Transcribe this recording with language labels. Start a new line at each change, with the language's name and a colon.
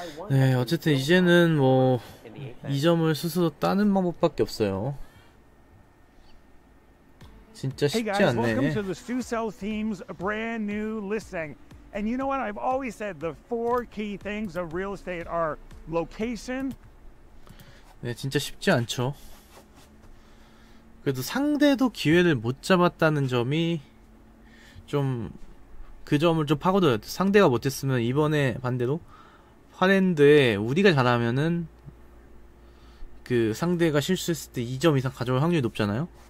Korean: 네, 어쨌든 이제는 뭐 2점을 스스로 따는 방법밖에 없어요. 진짜 쉽지 않네.
English: Hey guys, welcome to the Soucel team's brand new listing. And you know what? I've always said the four key things of real estate are location.
Korean: 네, 진짜 쉽지 않죠. 그래도 상대도 기회를 못 잡았다는 점이 좀 그 점을 좀 파고들어요. 상대가 못했으면 이번에 반대로 8엔드에 우리가 잘하면은 그 상대가 실수했을 때 2점 이상 가져올 확률이 높잖아요.